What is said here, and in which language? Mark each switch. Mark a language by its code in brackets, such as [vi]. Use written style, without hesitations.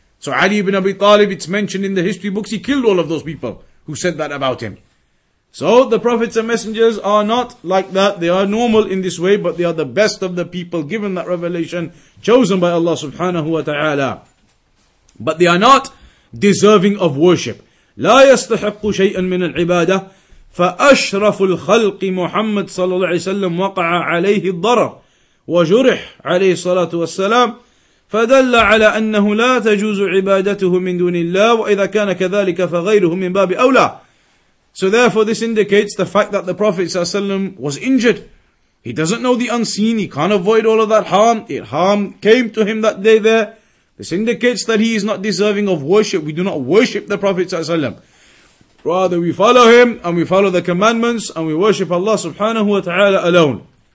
[en] So Ali ibn Abi Talib, it's mentioned in the history books, he killed all of those people who said that about him. So the prophets and messengers are not like that. They are normal in this way, but they are the best of the people given that revelation, chosen by Allah subhanahu wa ta'ala. But they are not deserving of worship. [ar] لا يستحق شيئا من العبادة فأشرف الخلق محمد صلى الله عليه وسلم وقع عليه الضرر وجرح عليه الصلاة والسلام فدل على أنه لا تجوز عبادته من دون الله وإذا كان كذلك فغيره من باب أولى. [en] So therefore this indicates the fact that the Prophet ﷺ was injured. He doesn't know the unseen, he can't avoid all of that harm. It harm came to him that day there. This indicates that he is not deserving of worship. We do not worship the Prophet ﷺ. Rather we follow him and we follow the commandments and we worship Allah subhanahu wa ta'ala alone.